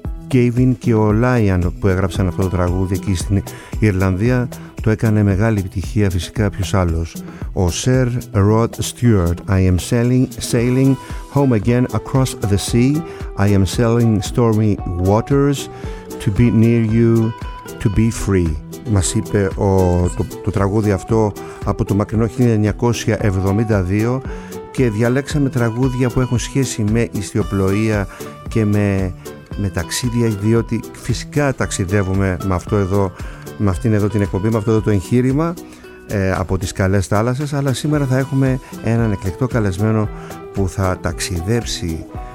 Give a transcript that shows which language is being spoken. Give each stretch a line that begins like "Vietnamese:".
Greek: Κέιβιν και ο Λάιαν που έγραψαν αυτό το τραγούδι εκεί στην Ιρλανδία, το έκανε μεγάλη επιτυχία φυσικά ποιος άλλος, ο Sir Rod Stewart.
English: I am sailing home again across the sea, I am sailing stormy waters to be near you, to be free.
Greek: Μας είπε το τραγούδι αυτό από το μακρινό 1972 και διαλέξαμε τραγούδια που έχουν σχέση με ιστιοπλοεία και με ταξίδια, διότι φυσικά ταξιδεύουμε με αυτήν εδώ την εκπομπή, με αυτό εδώ το εγχείρημα από τις καλές θάλασσες, αλλά σήμερα θα έχουμε έναν εκλεκτό καλεσμένο που θα ταξιδέψει.